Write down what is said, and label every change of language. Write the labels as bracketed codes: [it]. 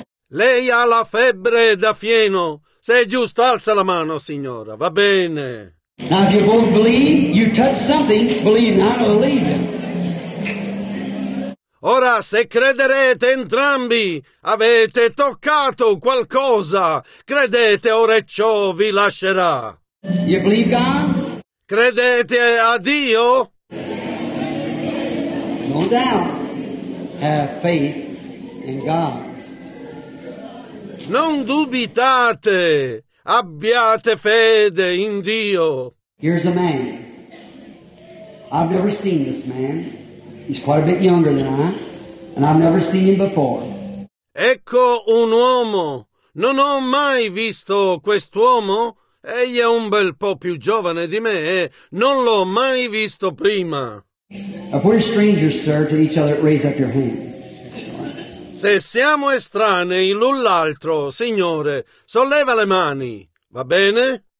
[it] Lei ha la febbre da fieno. Se è giusto, alza la mano, signora. Va bene. [en] Now if you both believe, you touch something, believe not or leave it. [it] Ora, se crederete entrambi, avete toccato qualcosa. Credete, ora e ciò vi lascerà. [en] You believe God? [it] Credete a Dio? [en] No doubt. Have faith in God. [it] Non dubitate, abbiate fede in Dio. [en] Here's a man. I've never seen this man. He's quite a bit younger than I, and I've never seen him before. [it] Ecco un uomo. Non ho mai visto quest'uomo. Egli è un bel po' più giovane di me, non l'ho mai visto prima. [en] If we're strangers, sir, to each other, raise up your hand. [it] Se siamo estranei l'un l'altro, signore, solleva le mani, va bene?